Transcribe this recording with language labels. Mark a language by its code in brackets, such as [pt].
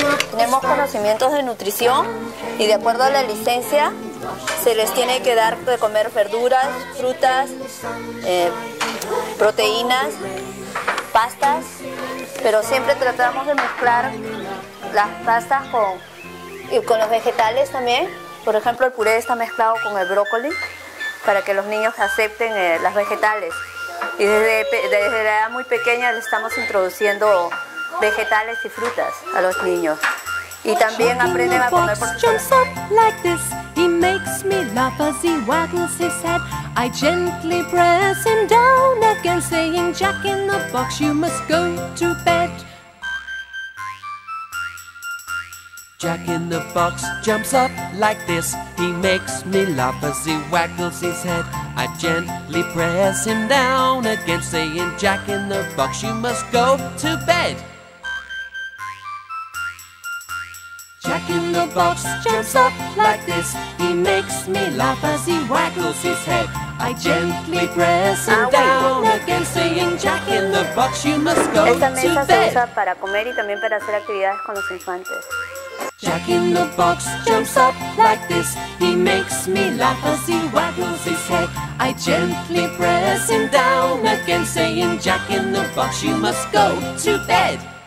[es] Tenemos conocimientos de nutrición y de acuerdo a la licencia se les tiene que dar de comer verduras, frutas, proteínas, pastas, pero siempre tratamos de mezclar las pastas con los vegetales también. Por ejemplo, el puré está mezclado con el brócoli para que los niños acepten las vegetales. Y desde la edad muy pequeña le estamos introduciendo vegetales y frutas a los niños. Y también aprenden a comer por [en] jumps up like this. He makes me laugh as he waggles his head. I gently press him down again, saying, Jack in the box, you must go to bed. Jack in the box jumps up like this. He makes me laugh as he waggles his head. I gently press him down again, saying, Jack in the box, you must go to bed. Jack in the box jumps up like this. He makes me laugh as he waggles his head. I gently press him down again, saying, Jack in the box, you must go to bed. [es] Esta mesa se usa para comer y también para hacer actividades con los infantes. [en] Jack in the box jumps up like this. He makes me laugh as he waggles his head. I gently press him down again, saying, Jack in the box, you must go to bed.